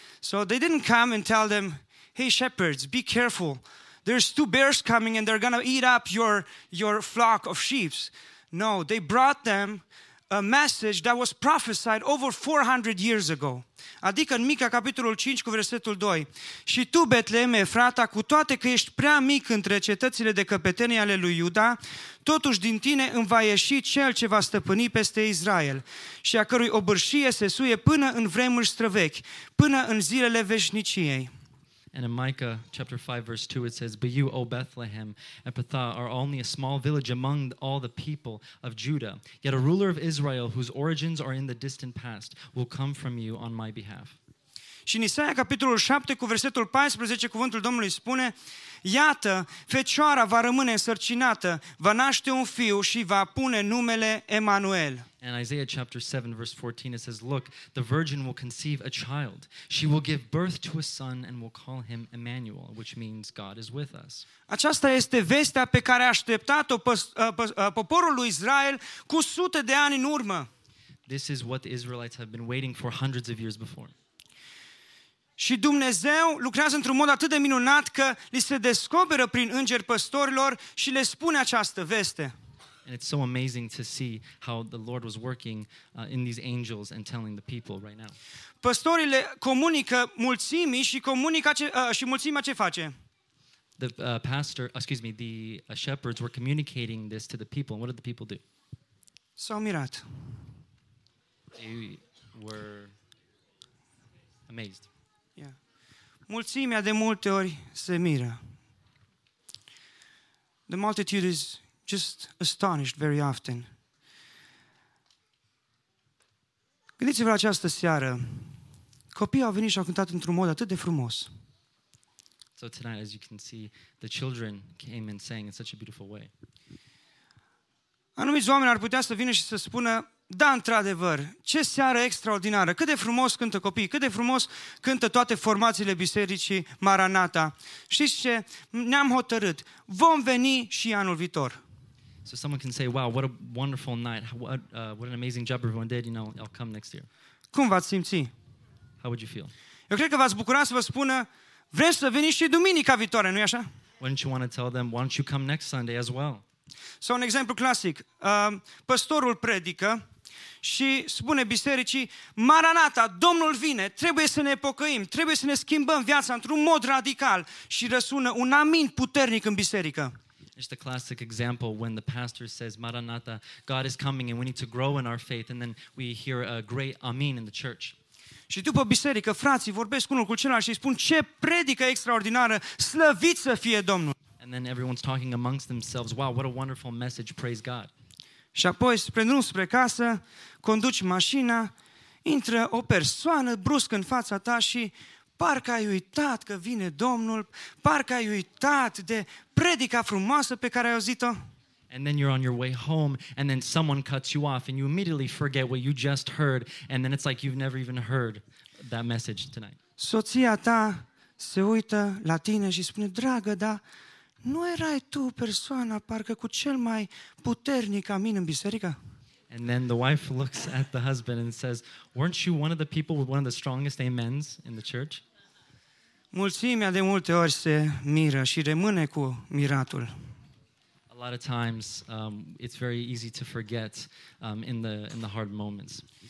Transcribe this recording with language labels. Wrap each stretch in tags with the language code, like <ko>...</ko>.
<en>So they didn't come and tell them, hey shepherds, be careful. There's two bears coming and they're going to eat up your flock of sheep. No, they brought them a message that was prophesied over 400 years ago.</en> <ro>Adică în Mica, capitolul 5, cu versetul 2. Și tu, Betleeme, frata, cu toate că ești prea mic între cetățile de căpetenii ale lui Iuda, totuși din tine îmi va ieși cel ce va stăpâni peste Israel și a cărui obârșie se suie până în vremuri străvechi, până în zilele veșniciei.</ro> <en>And in Micah chapter 5, verse 2, it says, "But you, O Bethlehem, Ephrathah, are only a small village among all the people of Judah. Yet a ruler of Israel, whose origins are in the distant past, will come from you on my behalf."</en> <ro>Și în Isaia, capitolul 7, cu versetul 14, cuvântul Domnului spune, "Iată, fecioara va rămâne însărcinată, va naște un fiu și va pune numele Emmanuel."</ro> <en>In Isaiah chapter 7, verse 14, it says, "Look, the virgin will conceive a child. She will give birth to a son and will call him Emmanuel," which means God is with us.</en> <ro>Aceasta este vestea pe care a așteptat-o poporul lui Israel cu sute de ani în urmă.</ro> <en>This is what the Israelites have been waiting for hundreds of years before.</en> <ro>Și Dumnezeu lucrează într-un mod atât de minunat că li se descoperă prin îngeri păstorilor și le spune această veste.</ro> <en>And it's so amazing to see how the Lord was working in these angels and telling the people right now.</en> <ro>Păstorile comunică mulțimii și comunică și mulțimea ce face?</ro> <en>The shepherds were communicating this to the people. And what did the people do?</en> <ro>S-au mirat.</ro> <en>They were amazed.</en> <ro>Mulțimea de multe ori se miră.</ro> <en>The multitude is just astonished very often.</en> <ro>Gândiți-vă la această seară. Copiii au venit și au cântat într-un mod atât de frumos.</ro> <en>So tonight, as you can see, the children came and sang in such a beautiful way.</en> <ro>Anumiți oameni ar putea să vină și să spună, da, într-adevăr, ce seară extraordinară, cât de frumos cântă copiii, cât de frumos cântă toate formațiile bisericii Maranata. Știți ce? Ne-am hotărât. Vom veni și anul viitor.</ro> <en>So someone can say, wow, what a wonderful night. What an amazing job everyone did, you know, I'll come next year.</en> <ro>Cum v-ați simți?</ro> <en>How would you feel?</en> <ro>Eu cred că v-ați bucura să vă spună, vrem să veniți și duminica viitoare, nu-i așa?</ro> <en>Wouldn't you want to tell them, why don't you come next Sunday as well?</en> <ro>Sau un exemplu clasic, păstorul predică și spune bisericii, Maranata, Domnul vine, trebuie să ne pocăim, trebuie să ne schimbăm viața într-un mod radical și răsună un amin puternic în biserică.</ro> <en>It's the classic example when the pastor says, Maranata, God is coming and we need to grow in our faith, and then we hear a great amin in the church.</en> <ro>Și după biserică, frații vorbesc unul cu celălalt și spun, ce predică extraordinară, slăvit să fie Domnul!</ro> <en>And then everyone's talking amongst themselves, wow, what a wonderful message, praise God.</en> <ro>Și apoi, spre drum, spre casă, conduci mașina, intră o persoană brusc în fața ta și parcă ai uitat că vine Domnul, parcă ai uitat de predica frumoasă pe care ai auzit-o.</ro> <en>And then you're on your way home, and then someone cuts you off, and you immediately forget what you just heard, and then it's like you've never even heard that message tonight.</en> <ro>Soția ta se uită la tine și spune, dragă, da, nu erai tu persoana parcă cu cel mai puternic amin în biserică?</ro> <en>And then the wife looks at the husband and says, weren't you one of the people with one of the strongest amens in the church?</en> <ro>Mulțimea de multe ori se miră și rămâne cu miratul.</ro> <en>A lot of times it's very easy to forget in the hard moments.</en>